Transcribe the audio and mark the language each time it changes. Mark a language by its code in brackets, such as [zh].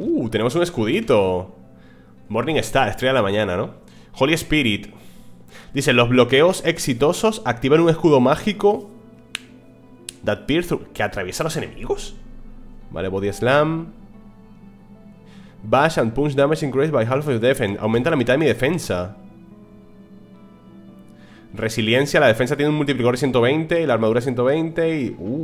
[es] Tenemos un escudito. Morning Star, estrella de la mañana, ¿no? Holy Spirit. Dice, los bloqueos exitosos activan un escudo mágico [en] that pierce through, [es] que atraviesa a los enemigos. Vale, body slam. [en] Bash and punch damage increased by half of your defense. [es] Aumenta la mitad de mi defensa. Resiliencia, la defensa tiene un multiplicador de 120 y la armadura 120 y...